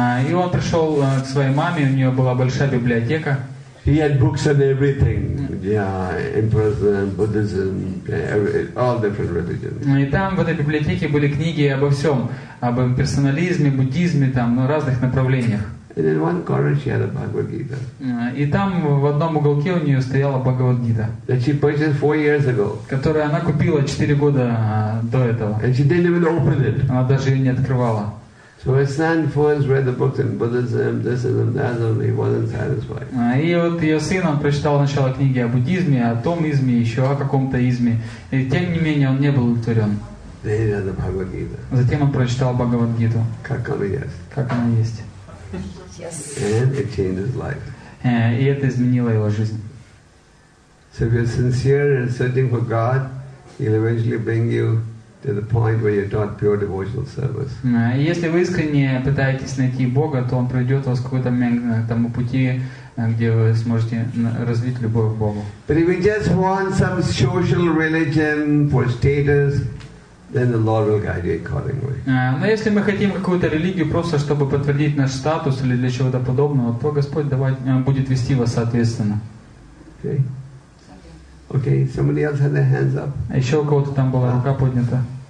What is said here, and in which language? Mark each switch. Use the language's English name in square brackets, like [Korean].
[Russian] И он пришел к своей маме, у нее была большая библиотека. [English] He had books on everything, Imperialism, Buddhism, all different religions. [Russian] И там в этой библиотеке были книги обо всем, об имперсонализме, буддизме, там, ну, разных направлениях. [English] And in one corner she had a Bhagavad Gita. [Russian] И там в одном уголке у нее стояла Бхагавад Гита. [English] That she purchased 4 years ago. [Russian] Которую она купила 4 года до этого. [English] And she didn't even open it. [Russian] Она даже ее не открывала. [English] So her son first read the books in Buddhism, this and that, and he wasn't satisfied. [Russian] И вот ее сын он прочитал сначала книги о буддизме, о том изме, еще о каком-то изме. И тем не менее он не был удовлетворен. [English] Then he read the Bhagavad Gita. [Russian] Затем он прочитал Бхагавад Гиту. Как она есть. Как она есть. [English] Yes. And it changed his life. [Russian] И это изменило его жизнь. [English] So if you're sincere and searching for God, He'll eventually bring you to the point where you're taught pure devotional service. [Russian] Если вы искренне пытаетесь найти Бога, то Он приведет вас к какой-то момент к тому пути, где вы сможете развить любовь к Богу. [English] But if you just want some social religion for status, then the Lord will guide you accordingly. [Russian] Но если мы хотим какую-то религию просто чтобы подтвердить наш статус или для чего-то подобного, то Господь будет вести вас соответственно. [English] Okay. Okay. Somebody else had their hands up. [Russian] Еще у кого-то там была рука поднята.